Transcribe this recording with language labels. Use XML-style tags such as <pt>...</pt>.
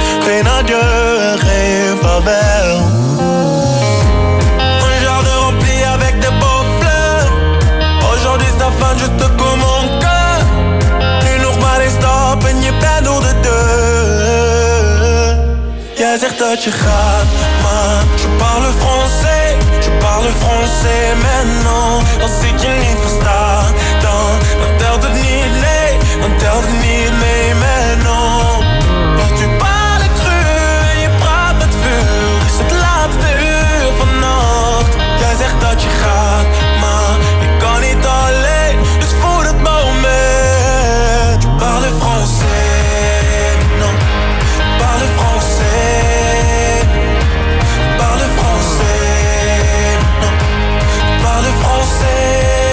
<nl>Geen adieu, geen vaarwel.</nl> <fr>Un jour de rempli avec de beaux fleurs. Aujourd'hui c'est la fin, je te coupe mon cœur.</fr> <nl>Nu nog maar een stap en je bent door de deur. Jij zegt dat je gaat, maar</nl> <fr>je parle français. Je parle français, mais non.</fr> <nl>Als ik je niet versta, dan telt het niet, nee, dan telt het niet mee,</nl> <fr>mais non.</fr> <nl>Want</nl> <fr>tu parles cru,</fr> <nl>je praat met vuur, is het laatste uur vannacht. Jij zegt dat je gaat, maar je kan niet alleen, dus voor het moment.</nl> <fr>Tu parles français, non, parles français. Parles français, non, parles français.</fr>